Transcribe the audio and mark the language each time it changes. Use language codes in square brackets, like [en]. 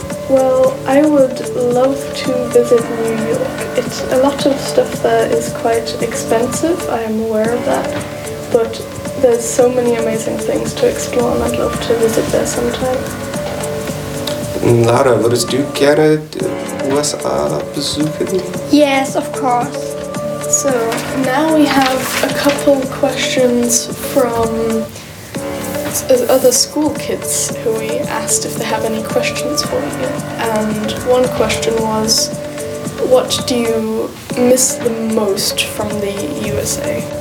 [en] Well, I would love to visit New York. A lot of stuff there is quite expensive, I am aware of that, but there's so many amazing things to explore and I'd love to visit there sometime. [de] Lara, würdest du gerne USA besuchen? [en] Yes, of course. So, now we have a couple questions from other school kids who we asked if they have any questions for you. And one question was, what do you miss the most from the USA?